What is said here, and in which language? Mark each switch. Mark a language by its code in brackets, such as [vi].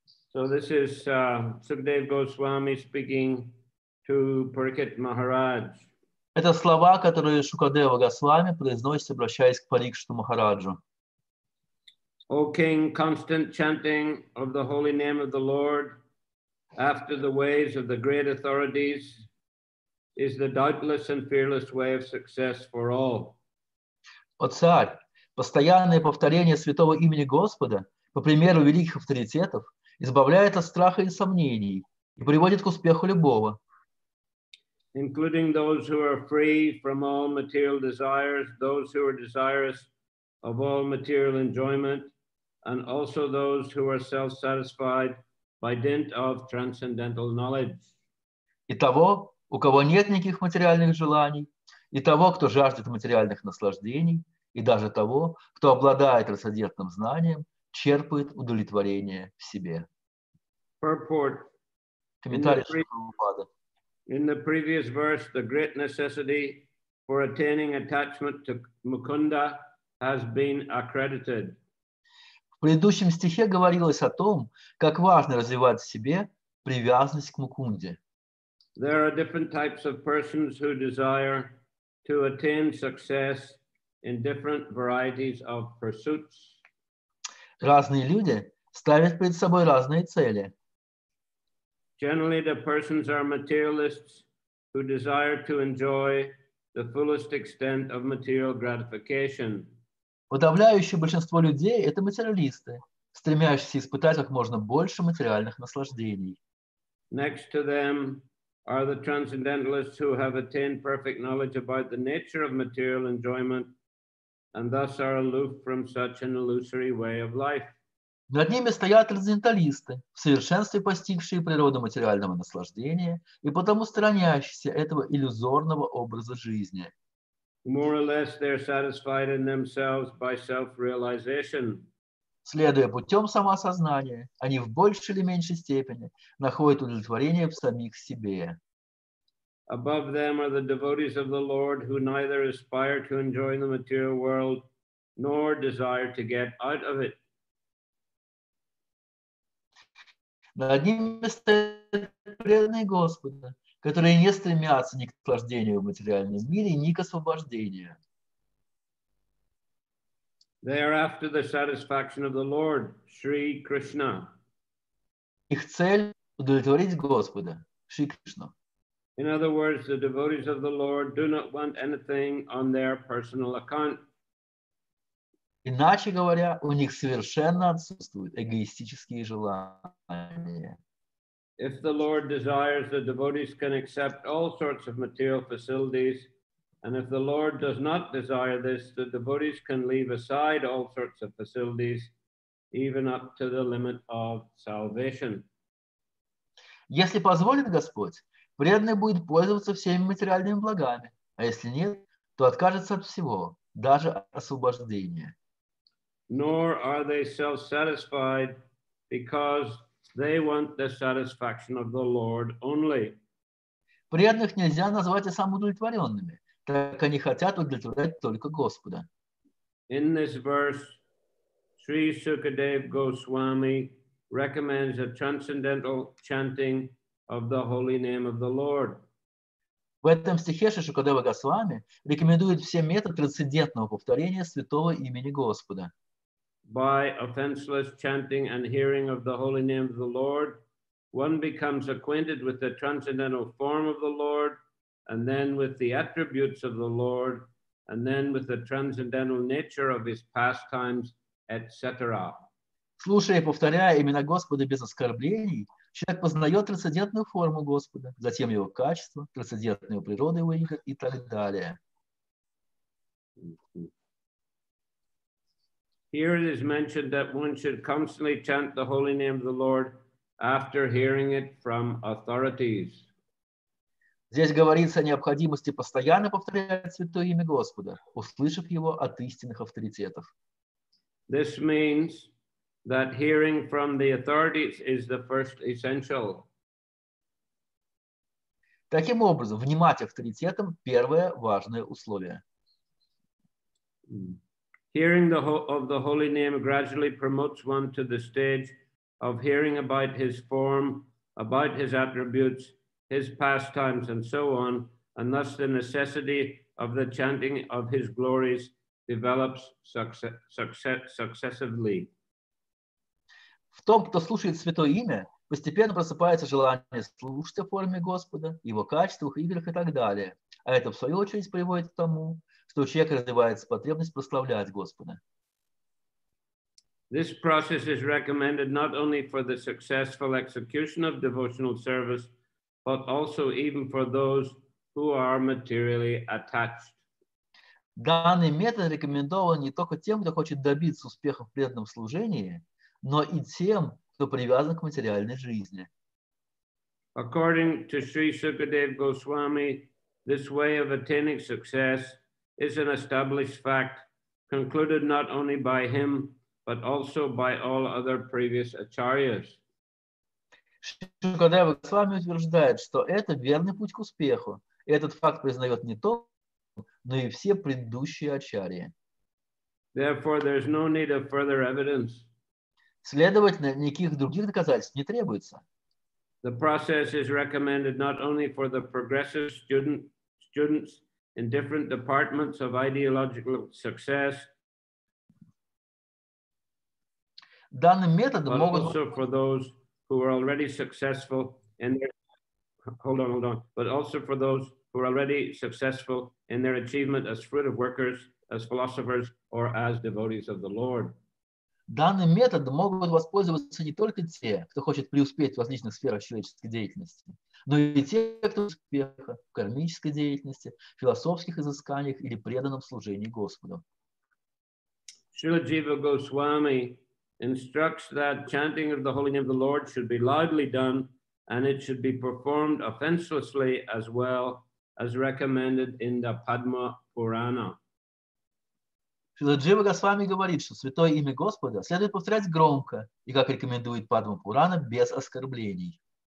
[en] So this is Sukadev Goswami speaking to Parikshit Maharaj. [ru] Это слова, которые Шукадева Госвами произносит, обращаясь к Парикшиту Махараджу. [en] O King, constant chanting of the holy name of the Lord after the ways of the great authorities is the doubtless and fearless way of success for all. [ru] О царь, постоянное повторение святого имени Господа, по примеру великих авторитетов, избавляет от страха и сомнений и приводит к успеху любого. [en] Including those who are free from all material desires, those who are desirous of all material enjoyment, and also those who are self-satisfied by dint of transcendental knowledge. [ru] И того, у кого нет никаких материальных желаний, и того, кто жаждет материальных наслаждений, и даже того, кто обладает трансцендентным знанием, черпает удовлетворение в себе. [en] Purport. [ru] Комментарий Шрила. [en] In the previous verse, the great necessity for attaining attachment to Mukunda has been accredited. [ru] В предыдущем стихе говорилось о том, как важно развивать в себе привязанность к Мукунде. [en] There are different types of persons who desire to attain success in different varieties of pursuits. [ru] Разные люди ставят перед собой разные цели. [en] Generally, the persons are materialists who desire to enjoy the fullest extent of material gratification. [ru] Подавляющее большинство людей – это материалисты, стремящиеся испытать как можно больше материальных наслаждений. [en] Next to them are the transcendentalists who have attained perfect knowledge about the nature of material enjoyment and thus are aloof from such an illusory way of life. [ru] Над ними стоят трансценденталисты, в совершенстве постигшие природу материального наслаждения и потому сторонящиеся этого иллюзорного образа жизни. [en] More or less they're satisfied in themselves by self-realization. [ru] Следуя путем самоосознания, они в большей или меньшей степени находят удовлетворение в самих себе. [en] Above them are the devotees of the Lord who neither aspire to enjoy the material world nor desire to get out of it. [ru] Над ними стоят преданные Господа, которые не стремятся ни к наслаждению в материальном мире, ни к освобождению. [en] They are after the satisfaction of the Lord, Sri Krishna. [ru] Их цель – удовлетворить Господа, Шри Кришну. [en] In other words, the devotees of the Lord do not want anything on their personal account. [ru] Иначе говоря, у них совершенно отсутствуют эгоистические желания. [en] If the Lord desires, the devotees can accept all sorts of material facilities. And if the Lord does not desire this, the devotees can leave aside all sorts of facilities even up to the limit of salvation. [ru] Если позволит Господь, преданный будет пользоваться всеми материальными благами, а если нет, то откажется от всего, даже от освобождения. [en] Nor are they self-satisfied because they want the satisfaction of the Lord only. [ru] Преданных нельзя назвать самоудовлетворенными, так как они хотят удовлетворять только Господа. [en] In this verse, Sri Sukadev Goswami recommends a transcendental chanting of the holy name of the Lord. [ru] В этом стихе Шри Шукадева Госвами рекомендует все методы трансцендентного повторения святого имени Господа. [en] By offenseless chanting and hearing of the holy name of the Lord, one becomes acquainted with the transcendental form of the Lord, and then with the attributes of the Lord, and then with the transcendental nature of his pastimes, etc. [ru] Слушая и повторяя имена Господа без оскорблений, человек познает трансцендентную форму Господа, затем его качество, трансцендентную природу его имени и так далее. [en] Here it is mentioned that one should constantly chant the holy name of the Lord after hearing it from authorities. [ru] Здесь говорится о необходимости постоянно повторять святое имя Господа, услышав его от истинных авторитетов. [en] This means that hearing from the authorities is the first essential. [ru] Таким образом, внимать авторитетам – первое важное условие. [en] Hearing the of the holy name gradually promotes one to the stage of hearing about his form, about his attributes, his pastimes, and so on, and thus the necessity of the chanting of his glories develops successively. [ru] В том, кто слушает святое имя, постепенно просыпается желание слушать о форме Господа, его качествах, играх и так далее. А это, в свою очередь, приводит к тому, что у человека развивается потребность прославлять Господа. [en] This process is recommended not only for the successful execution of devotional service, but also even for those who are materially attached. [ru] Данный метод рекомендован не только тем, кто хочет добиться успеха в преданном служении, но и тем, кто привязан к материальной жизни. [en] According to Sri Sukadev Goswami, this way of attaining success is an established fact, concluded not only by him, but also by all other previous acharyas. [ru] Шукадева Госвами утверждает, что это верный путь к успеху. И этот факт признает не только, но и все предыдущие ачарьи. [en] Therefore, there's no need of further evidence. [ru] Следовательно, никаких других доказательств не требуется. [en] The process is recommended not only for the progressive students in different departments of ideological success, [ru] данным методом могут [en] also for those who are already successful in their but also for those who are already successful in their achievement as fruitive workers, as philosophers, or as devotees of the Lord. [ru] Данным методом могут воспользоваться не только те, кто хочет преуспеть в различных сферах человеческой деятельности, но и те, кто успеха в кармической деятельности, философских изысканиях или преданном служении Господу. [en] Srila Jiva Goswami instructs that chanting of the holy name of the Lord should be loudly done, and it should be performed offenselessly as well as recommended in the Padma Purana. [ru] Шрила Джива Госвами говорит, что святое имя Господа следует повторять громко и, как рекомендует Падма Пурана, без оскорблений.